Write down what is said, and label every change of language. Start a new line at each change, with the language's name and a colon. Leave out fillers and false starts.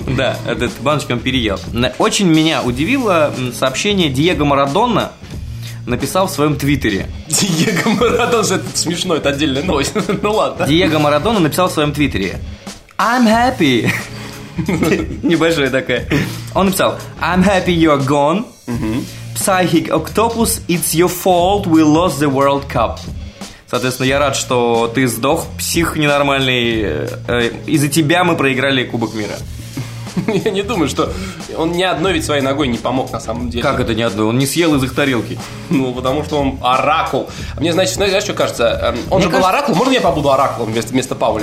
Russian: Да, этот баночку он переел. Очень меня удивило сообщение Диего Марадона. Написал в своем твиттере. Диего Марадона, это смешно, это отдельная новость. Ну ладно. Диего Марадона написал в своем твиттере:
English: I'm happy.
Russian: Небольшая такая. Он написал:
English: I'm happy you're gone. Psychic octopus, it's your fault we lost the World Cup.
Russian: Соответственно, я рад, что ты сдох, псих ненормальный. Из-за тебя мы проиграли Кубок мира. Я не думаю, что он ни одной ведь своей ногой не помог на самом деле. Как это ни одной? Он не съел из их тарелки. Ну, потому что он оракул. Мне, значит, знаешь, что кажется? Он же был оракул. Можно я побуду оракулом вместо Пауля?